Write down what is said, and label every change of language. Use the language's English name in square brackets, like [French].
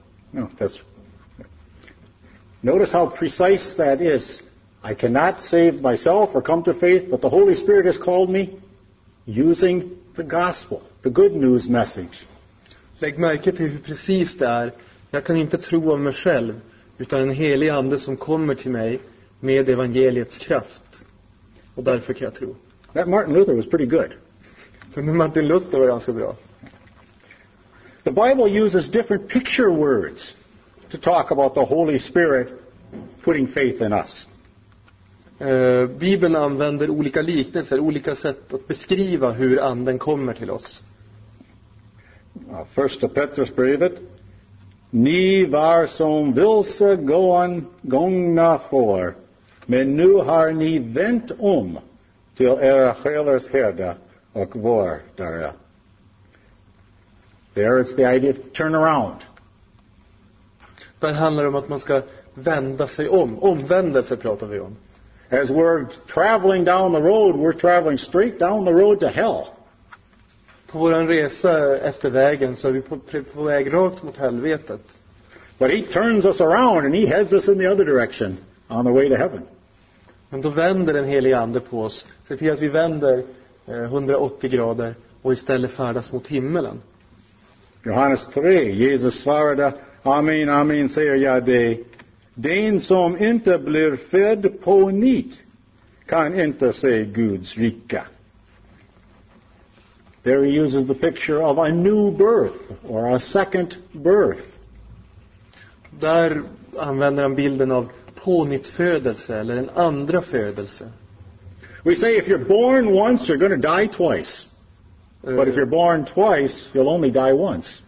[English] No, that's. Notice how precise that is. I cannot save myself or come to faith, but the Holy Spirit has called me using the gospel, the good news message. [Swedish] Lägg märke till hur precis det är. Jag kan inte tro av mig själv, utan en helig ande som kommer till mig med evangeliets kraft. Och därför kan jag tro. [English] That Martin Luther was pretty good. [Swedish] Martin Luther var ganska bra. [English] The Bible uses different picture words to talk about the Holy Spirit putting faith in us. [Swedish] Bibeln använder olika liknelser, olika sätt att beskriva hur anden kommer till oss. Första Petrus brevet: "Ni var som vilse gångna för, men nu har ni vänt om till era själars herde och vårdare." [English] There is the idea of turn around. [Swedish] Där handlar det om att man ska vända sig om. Omvändelse pratar vi om. [English] As we're traveling down the road, we're traveling straight down the road to hell. [Swedish] På vår resa efter vägen så är vi på väg rakt mot helvetet. But he turns us around and he heads us in the other direction on the way to heaven. Men då vänder den helige ande på oss. Se till att vi vänder 180 grader och istället färdas mot himmelen. Johannes 3, Jesus svarade: amen, amen, säger jag dig, den som inte blir född på nytt kan inte se Guds rike. [English] There he uses the picture of a new birth or a second birth. [Swedish] Där använder han bilden av pånyttfödelse eller en andra födelse. [English] We say if you're born once you're going to die twice. But if you're born twice you'll only die once.